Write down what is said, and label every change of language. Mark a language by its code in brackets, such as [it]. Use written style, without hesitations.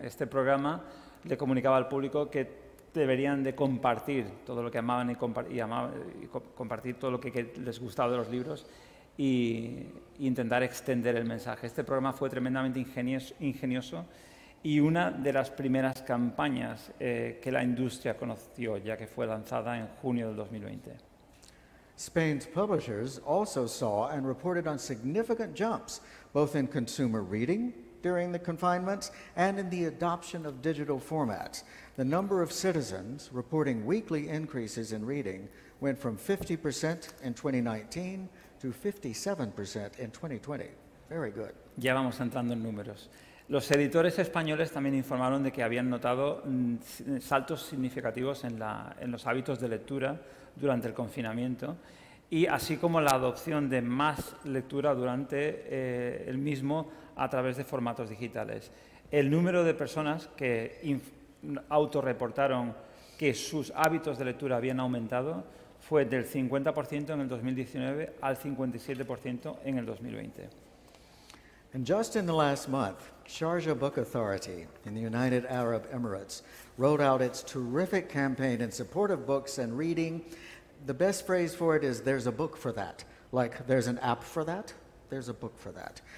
[es] Este programa le comunicaba al público que deberían de compartir todo lo que amaban y compartir todo lo que les gustaba de los libros e intentar extender el mensaje. Este programa fue tremendamente ingenioso y una de las primeras campañas que la industria conoció, ya que fue lanzada en junio del 2020. [en] Spain's publishers also saw and reported on significant jumps, both in consumer reading during the confinements and in the adoption of digital formats. The number of citizens reporting weekly increases in reading went from 50% in 2019 to 57% in 2020. Very good. [es] Ya vamos entrando en números. Los editores españoles también informaron de que habían notado saltos significativos en los hábitos de lectura durante el confinamiento y así como la adopción de más lectura durante el mismo a través de formatos digitales. El número de personas que autorreportaron que sus hábitos de lectura habían aumentado fue del 50% en el 2019 al 57% en el 2020. [en] And just in the last month, Sharjah Book Authority in the United Arab Emirates rolled out its terrific campaign in support of books and reading the best phrase for it is there's a book for that. Like there's an app for that, there's a book for that.